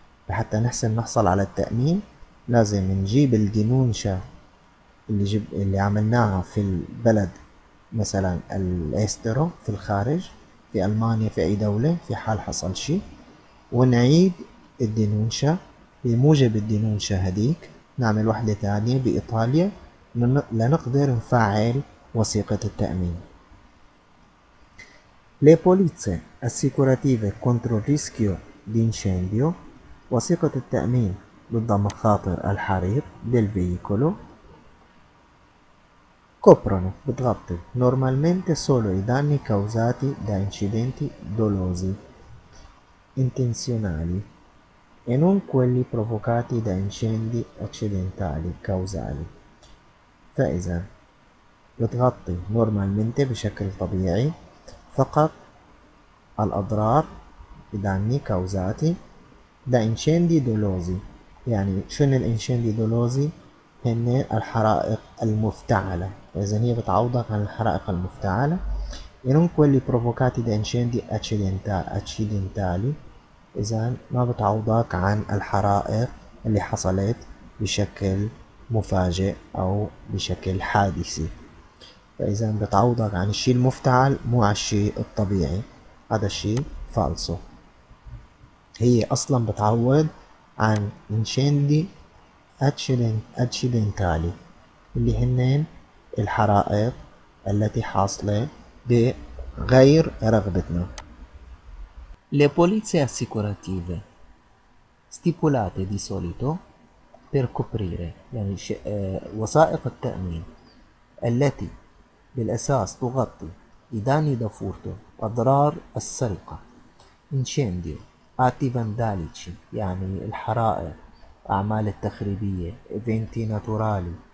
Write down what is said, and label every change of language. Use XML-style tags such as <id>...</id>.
<ar>حتى نحصل على التأمين لازم نجيب الدينونشا اللي عملناها في البلد, مثلا الإسترو في الخارج, في ألمانيا, في أي دولة, في حال حصل شيء, ونعيد الدينونشا. بموجب الدينونشا هذيك نعمل واحدة ثانية بإيطاليا لنقدر نفعل وثيقة التأمين.</ar> <it>Le polizze assicurative contro il rischio di incendio,</it> <ar>وثيقة التأمين ضد مخاطر الحريق</ar> <it>del veicolo, coprono,</it> <ar>بتغطي,</ar> <it>normalmente solo i danni causati da incidenti dolosi, intenzionali, e non quelli provocati da incendi accidentali, causali.</it> <ar>فإذا, بتغطي</ar> <it>normalmente</it> <ar>بشكل طبيعي فقط الأضرار,</ar> <it>danni causati da incendi dolosi.</it> <ar>يعني شنو</ar> <it>الانشندي دولوزي؟</it> <ar>هن الحرائق المفتعلة. إذا هي بتعوضك عن الحرائق المفتعلة. إنهم</ar> <it>كويلي بروفوكاتي دا انشندي اتشيدنتالي,</it> <ar>إذا ما بتعوضك عن الحرائق اللي حصلت بشكل مفاجئ أو بشكل حادثي. فإذا بتعوضك عن الشيء المفتعل مو على الشيء الطبيعي. هذا الشيء فالسو. هي أصلا بتعوض عن</ar> <it>انشندي اتشيدنتالي,</it> <ar>اللي هنين الحرائق التي حاصلة بغير رغبتنا.</ar> <it>Le polizze assicurative stipulate di solito per coprire,</it> <ar>يعني وثائق التأمين التي بالأساس تغطي</ar> <it>i danni da furto,</it> <ar>أضرار السرقة,</ar> <it>incendio, atti vandalici,</it> <ar>يعني الحرائق, أعمال التخريبية,</ar> <it>eventi naturali,</it>